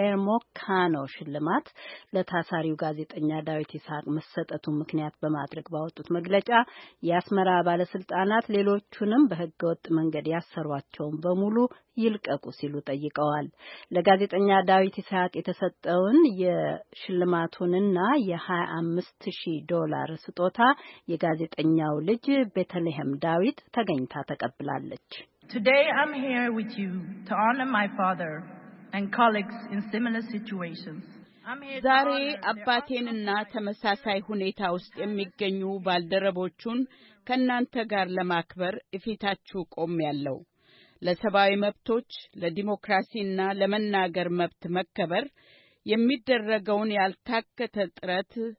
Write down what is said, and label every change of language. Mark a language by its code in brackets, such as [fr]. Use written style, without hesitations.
[am] ጌርሞ ካኖ ሽልማት ለታሳሪው ጋዜጠኛ ዳዊት ይስሐቅ መሰጠቱ ምክንያት በማድረግ ባወጡት መግለጫ የአስመራ ባለስልጣናት ሌሎቹንም በሕገ ወጥ መንገድ ያሰሯቸውን በሙሉ ይልቀቁ ሲሉ ጠይቀዋል። ለጋዜጠኛ ዳዊት ይስሐቅ የተሰጠውን የሽልማቱንና የ25,000 ዶላር ስጦታ የጋዜጠኛው ልጅ ቤተልሔም ዳዊት ተገኝታ ተቀብላለች። [en] Today I'm here with you to honor my father and colleagues in similar situations. [am] ዛሬ አባቴንና ተመሳሳይ ሁኔታ ውስጥ የሚገኙ ባልደረቦቹን ከናንተ ጋር ለማክበር እፊታችሁ ቆሜያለሁ። ለሰብአዊ መብቶች፣ ለዲሞክራሲና ለመናገር መብት መከበር የሚደረገውን ያልታከተ ጥረት